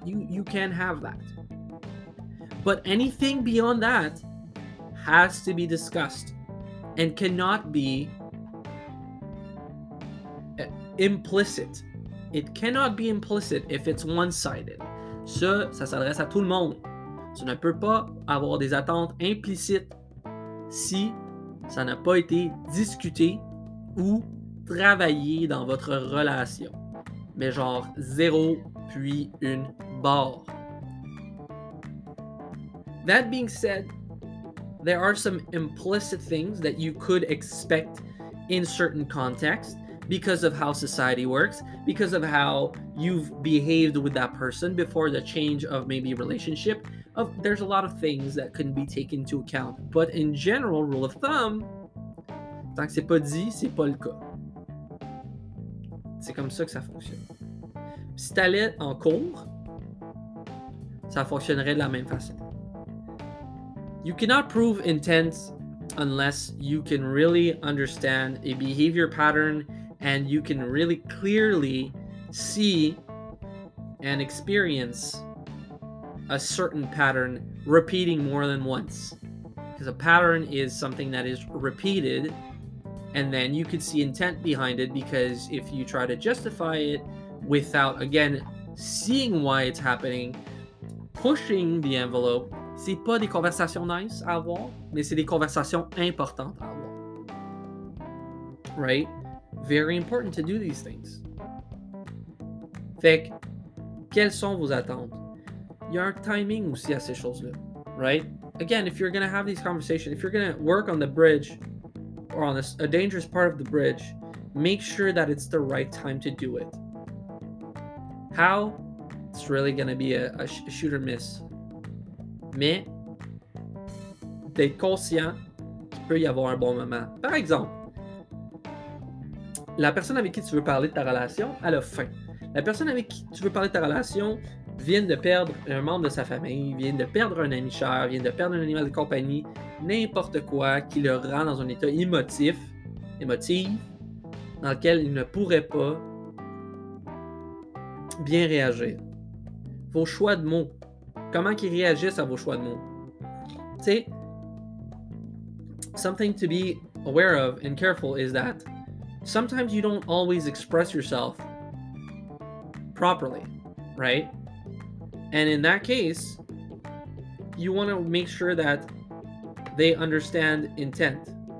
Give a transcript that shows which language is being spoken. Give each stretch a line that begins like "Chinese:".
English: You can have that. But anything beyond that has to be discussed and cannot be implicit. It cannot be implicit if it's one-sided.
French: Ça s'adresse à tout le monde. Tu ne peux pas avoir des attentes implicites si ça n'a pas été discuté ou travaillé dans votre relation. Mais genre zéro puis une barre.
English: That being said, there are some implicit things that you could expect in certain contexts because of how society works, because of how you've behaved with that person before the change of maybe relationship. There's a lot of things that can be taken into account. But in general, rule of thumb,
French: tant que c'est pas dit, c'est pas le cas. C'est comme ça que ça fonctionne. Si t'allais en cours, ça fonctionnerait de la même façon.
English: You cannot prove intent unless you can really understand a behavior pattern and you can really clearly see and experience a certain pattern repeating more than once. Because a pattern is something that is repeated, and then you could see intent behind it, because if you try to justify it without, again, seeing why it's happening, pushing the envelope,
French: c'est pas des conversations nice à avoir,
English: mais c'est des conversations importantes à avoir. Right? Very important to do these things.
French: Fait que, quelles sont vos attentes? Il y a un timing aussi à ces choses-là.
English: Right? Again, if you're going to have these conversations, if you're going to work on the bridge, or on a dangerous part of the bridge, make sure that it's the right time to do it. How? It's really going to be a shoot or miss.
French: Mais, d'être conscient qu'il peut y avoir un bon moment. Par exemple, la personne avec qui tu veux parler de ta relation, elle a faim. La personne avec qui tu veux parler de ta relation vient de perdre un membre de sa famille, vient de perdre un ami cher, vient de perdre un animal de compagnie, n'importe quoi qui le rend dans un état émotif, dans lequel il ne pourrait pas bien réagir. Vos choix de mots. Comment qu'ils réagissent à vos choix de mots? Tu sais,
English: something to be aware of and careful is that sometimes you don't always express yourself properly, right? And in that case, you want to make sure that they understand intent.